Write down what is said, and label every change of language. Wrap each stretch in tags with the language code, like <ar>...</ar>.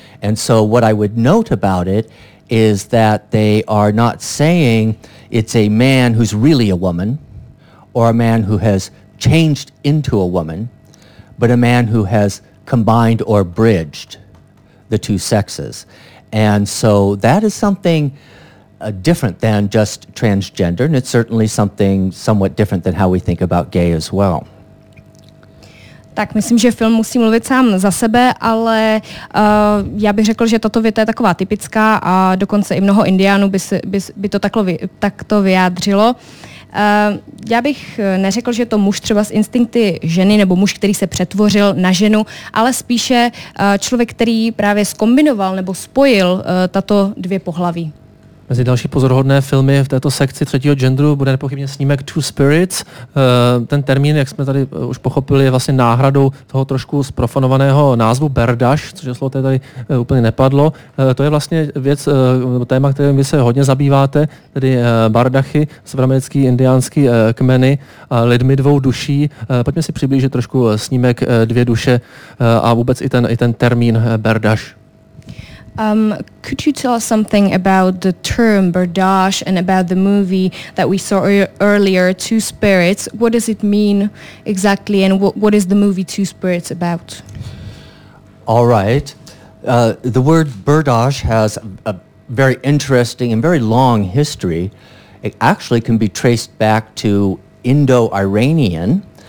<en>And so what I would note about it is that they are not saying it's a man who's really a woman, or a man who has changed into a woman, but a man who has combined or bridged the two sexes. And so that is something different than just transgender, and it's certainly something somewhat different than how we think about gay as well.</en> <cs>Tak, myslím, že film musí mluvit sám za sebe, ale já bych řekl, že tato věta je taková typická a dokonce i mnoho Indiánů by to takto vyjádřilo. Já bych neřekl, že to muž třeba s instinkty ženy nebo muž, který se přetvořil na ženu, ale spíše člověk, který právě zkombinoval nebo spojil tato dvě pohlaví. Mezi další pozoruhodné filmy v této sekci třetího genderu bude nepochybně snímek Two Spirits. Ten termín, jak jsme tady už pochopili, je vlastně náhradou toho trošku zprofanovaného názvu Berdash, což je slovo, které tady úplně nepadlo. To je vlastně věc, téma, kterým vy se hodně zabýváte, tedy Bardachy, severoamerický indiánský kmeny a lidmi dvou duší. Pojďme si přiblížit trošku snímek Dvě duše a vůbec i ten termín Berdash.</cs> <en>Could you tell us something about the term Berdash and about the movie that we saw earlier, Two Spirits? What does it mean exactly, and what is the movie Two Spirits about? All right. The word Berdash has a very interesting and very long history. It actually can be traced back to Indo-Iranian,</en>